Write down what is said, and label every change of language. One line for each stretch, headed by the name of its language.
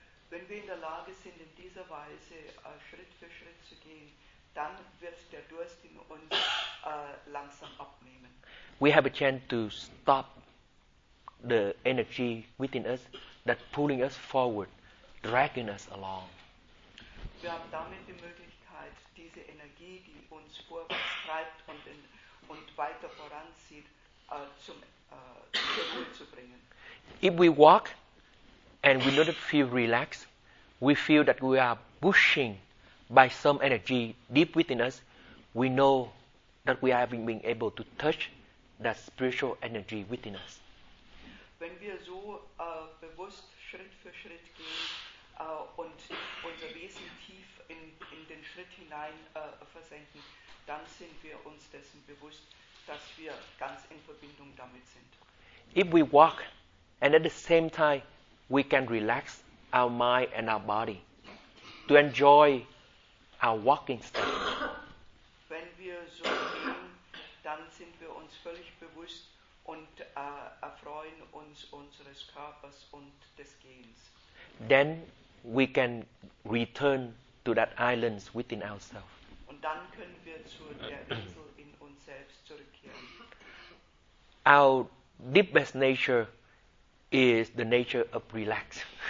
German: Wenn wir in der Lage sind, in dieser Weise Schritt für Schritt zu gehen, dann wird der Durst in uns langsam abnehmen.
English: We have a chance to stop the energy within us that pulling us forward, dragging us along.
German: Wir haben damit die Möglichkeit, diese Energie, die uns vorwärts treibt und, in, und weiter voranzieht, zur Ruhe zu bringen.
English: If we walk and we don't feel relaxed, we feel that we are pushing by some energy deep within us, we know that we haven't been able to touch that spiritual energy within us.
German: Wenn wir so bewusst Schritt für Schritt gehen und unser Wesen tief in den Schritt hinein versenken, dann sind wir uns dessen bewusst, dass wir ganz in Verbindung damit sind.
English: If we walk and at the same time we can relax our mind and our body to enjoy our walking step.
German: Wenn wir so gehen, dann sind wir uns völlig bewusst und erfreuen uns unseres Körpers und des Gehens.
English: Then we can return to that island within ourselves.
German: Und dann können wir zu der Insel in uns selbst zurückkehren.
English: Our deepest nature is the nature of relax.